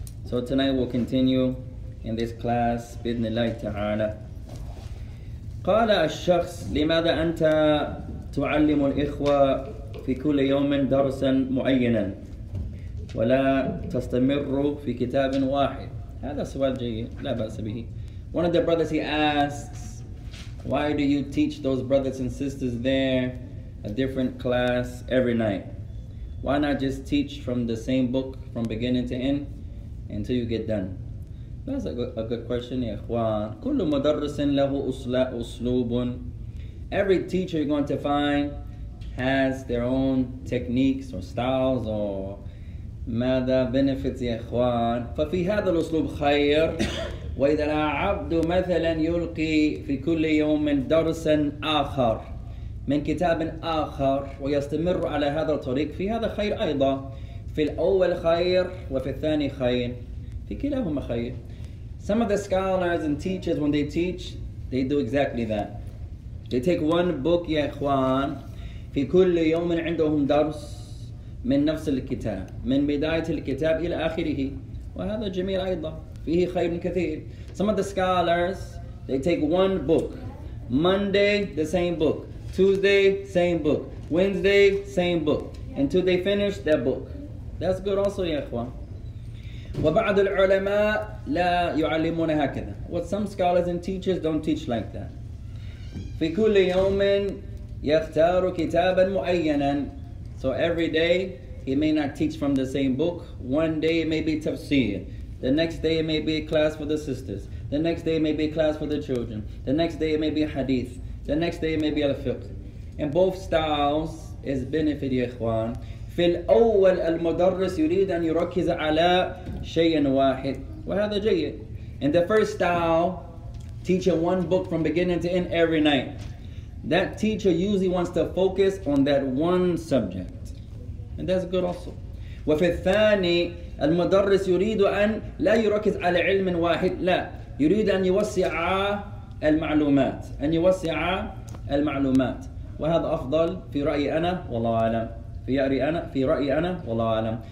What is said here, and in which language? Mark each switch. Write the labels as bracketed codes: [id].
[en] So tonight we'll continue in this class, [ar] بإذن الله تعالى. قال الشخص لماذا أنت تعلم الإخوة في كل يوم درسا معينا ولا تستمر في كتاب واحد؟ هذا سؤال جيد لا بأس به. [en] One of the brothers he asks, why do you teach those brothers and sisters there a different class every night? Why not just teach from the same book from beginning to end until you get done? That's a good question, [ar] يا إخوان. كل مدرس له أسلوب. [en] Every teacher you're going to find has their own techniques or styles or [ar] ماذا benefits يا إخوان ففي هذا الأسلوب خير وإذا العبد مثلا يلقي في كل يوم درسا آخر من كتاب آخر ويستمر على هذا الطريق في هذا خير أيضا في الأول خير وفي الثاني خير في كلاهما خير. [en] Some of the scholars and teachers, when they teach, they do exactly that. They take one book, [ar] يا إخوان, في كل يوم عندهم درس من نفس الكتاب من بداية الكتاب إلى آخره وهذا جميل أيضا فيه خير كثير. [en] Some of the scholars, they take one book, Monday the same book, Tuesday same book, Wednesday same book, until they finish that book. That's good also, [ar] يا إخوان. وبعض العلماء لا يعلمون هكذا. [en] What some scholars and teachers don't teach like that. [ar] في كل يوم يختار كتابا معينا. [en] So every day he may not teach from the same book. One day it may be tafsir. The next day it may be a class for the sisters. The next day it may be a class for the children. The next day it may be a hadith. The next day it may be al fiqh. And both styles is benefit, [ar] يا إخوان. في الأول المدرس يريد أن يركز على شيء واحد وهذا جيد. [en] In the first style, teaching one book from beginning to end every night. That teacher usually wants to focus on that one subject. And that's good also. [ar] وفي الثاني المدرس يريد أن لا يركز على علم واحد لا يريد أن يوسع المعلومات أن يوسع المعلومات وهذا أفضل في رأيي أنا والله أعلم في رأيي أنا والله أعلم.